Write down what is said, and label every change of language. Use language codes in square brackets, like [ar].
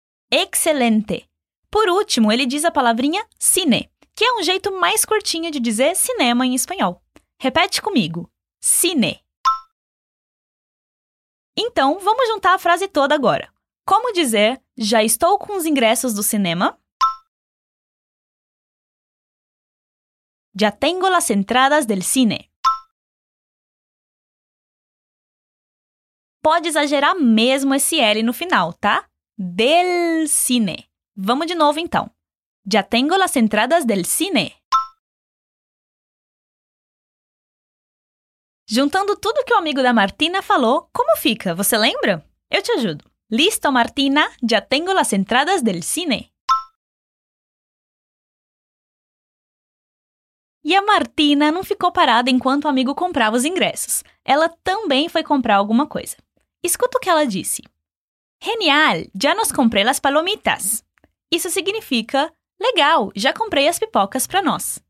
[pt] Excelente. Por último, ele diz a palavrinha cine, que é um jeito mais curtinho de dizer cinema em espanhol. Repete comigo. Cine. Então, vamos juntar a frase toda agora. Como dizer, já estou com os ingressos do cinema? [es] Ya tengo las entradas del cine. [pt] Pode exagerar mesmo esse L no final, tá? [es] Del cine. [pt] Vamos de novo, então. [es] Ya tengo las entradas del cine. [pt] Juntando tudo que o amigo da Martina falou, como fica? Você lembra? Eu te ajudo. [es] Listo, Martina. Ya tengo las entradas del cine. [pt] E a Martina não ficou parada enquanto o amigo comprava os ingressos. Ela também foi comprar alguma coisa. Escuta o que ela disse. Genial, já nos comprei [es] las palomitas. [pt] Isso significa, legal, já comprei as pipocas para nós.